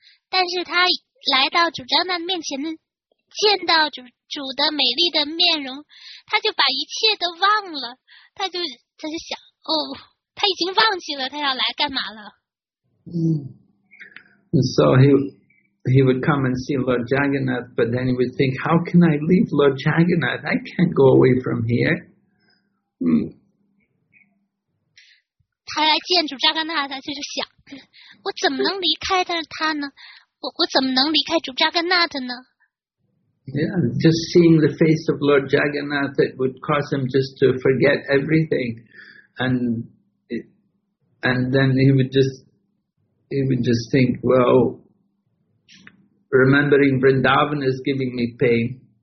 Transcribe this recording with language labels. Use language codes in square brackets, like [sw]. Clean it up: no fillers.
[zh] 但是他来到主加格纳的面前呢，见到主的美丽的面容，他就把一切都忘了。他就想，哦，他已经忘记了他要来干嘛了。 [en] So he would come and see Lord Jagannath, but then he would think, how can I leave Lord Jagannath? I can't go away from here. [zh] 他来见主扎格纳，他就是想，我怎么能离开他呢？我怎么能离开主扎格纳的呢？ [en] Yeah, just seeing the face of Lord Jagannath, it would cause him just to forget everything. And then he would just think, well, remembering Vrindavan is giving me pain.